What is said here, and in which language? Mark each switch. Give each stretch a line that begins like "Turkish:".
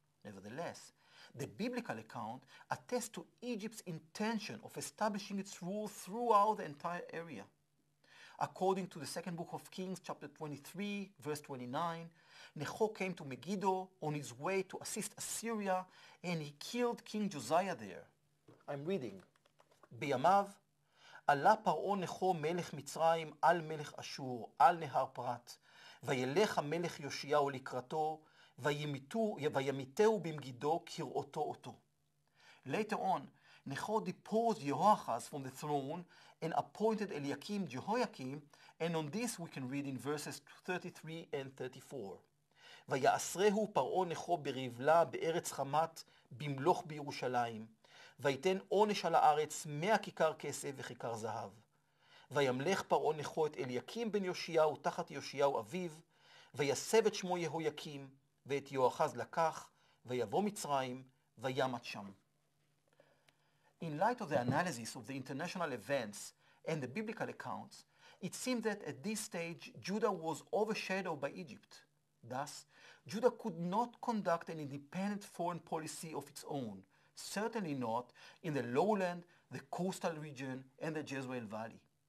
English: Nevertheless, the biblical account attests to Egypt's intention of establishing its rule throughout the entire area. According to the second book of Kings, chapter 23, verse 29, Necho came to Megiddo on his way to assist Assyria, and he killed King Josiah there. I'm reading.
Hebrew: Biyamav, עלה פרעה נכו מלך מצרים על מלך אשור, על נהר פרט, וילך המלך יושיהו לקראתו, וימיתהו במגידו כראותו אותו.
English: Later on, נכו deposed Jehoahaz from the throne and appointed Eliakim Jehoiakim, and on this we can read in verses 33 and 34.
Hebrew: ויעשרהו פרעה נכו ברבלה בארץ חמת במלוך בירושלים, ויתן עונש על הארץ מאה כיכר כסף וכיכר זהב. וימלך פרעה נכו את אליקים בן יושיהו תחת יושיהו אביו, ויסב את שמו יהויקים, ואת יהואחז לקח, ויבוא מצרים, וימת שם.
English: In light of the analysis of the international events and the biblical accounts, it seemed that at this stage Judah was overshadowed by Egypt. Thus, Judah could not conduct an independent foreign policy of its own, certainly not in the lowland, the coastal region, and the Jezreel Valley.